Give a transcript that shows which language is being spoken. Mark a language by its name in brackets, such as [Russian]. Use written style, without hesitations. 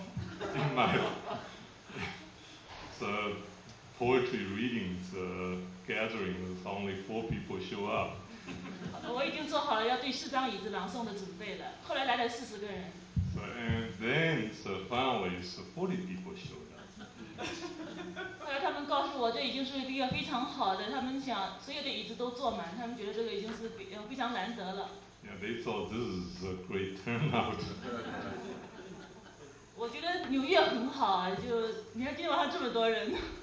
[Chinese] 在我的朗诵会呢，今天来了四个人。 [English] So poetry readings gathering with only four people show up. [Chinese] 我已经做好了要对四张椅子朗诵的准备了，后来来了四十个人。 [English] So finally, 40 people showed up. [Chinese] 后来他们告诉我，这已经是一个非常好的，他们想所有的椅子都坐满，他们觉得这个已经是非常难得了。 [English] Yeah, they thought this is a great turnout. [Chinese] 我觉得纽约很好啊，就你看今天晚上这么多人。